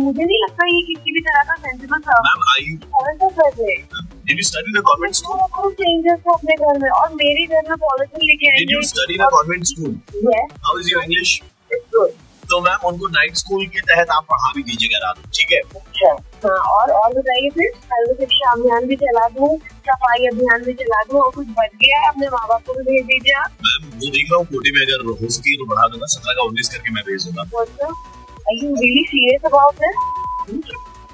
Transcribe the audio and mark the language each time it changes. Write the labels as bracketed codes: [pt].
[hi] मुझे नहीं लगता ये किसी भी तरह का सेंसिबल था [en] Ma'am I Did you study in a convent school? No, no changes to my home. And my home has a policy. Did you study in a convent school? Yes. How is your English? It's good. [hi] So ma'am, unko night school ke tahat aap padha bhi dijiyega raat, theek hai? और बताइए फिर सर्व शिक्षा अभियान भी चला दूँ सफाई अभियान भी चला दूँ और कुछ बच गया है अपने माँ बाप को भी भेज दीजिए आप मैम वो देख रहा हूँ कोटे में अगर हो सके तो बढ़ा दूंगा 17 का 19 करके मैं भेज दूंगा [en] Are you really serious about this?